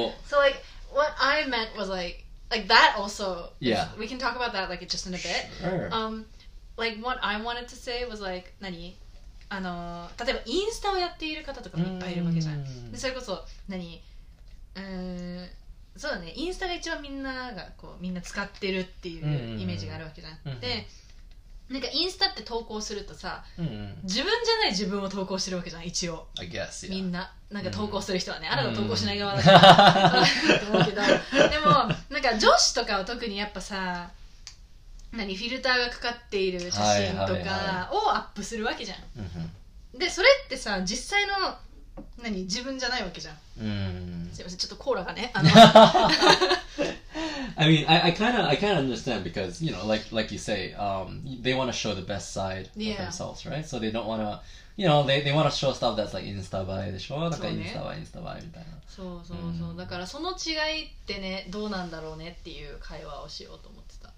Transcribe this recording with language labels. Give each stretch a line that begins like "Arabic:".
English: So, like, what I meant was, like that also, yeah. We can talk about that, like, just in a bit. Sure. Like, what I wanted to say was, like, 何?
Japanese: あの、例えばインスタをやっている方とかもいっぱいいるわけじゃん。で、それこそ、何?そうだね、インスタが一番みんながこうみんな使ってるっていうイメージがあるわけじゃん、うんうん、でなんかインスタって投稿するとさ、うんうん、自分じゃない自分を投稿してるわけじゃん一応
English: I guess, yeah.
Japanese: みんななんか投稿する人はね、うん、あなた投稿しない側だからと思うけどでもなんか女子とかは特にやっぱさ何フィルターがかかっている写真とかをアップするわけじゃん、はいはいはい、でそれってさ実際の何自分じゃないわけじゃん、うん、すいませんちょっとコーラがね
English: あの I mean I kind of understand because you know like you say they want to show the best side、 yeah. of themselves right so they don't want to you know they want to show stuff that's like
Japanese: インスタ映えでしょ、ね、なんかインスタ映えインスタ映えみたいな、そうそうそう、うん、だからその違いってねどうなんだろうねっていう会話をしようと思ってた。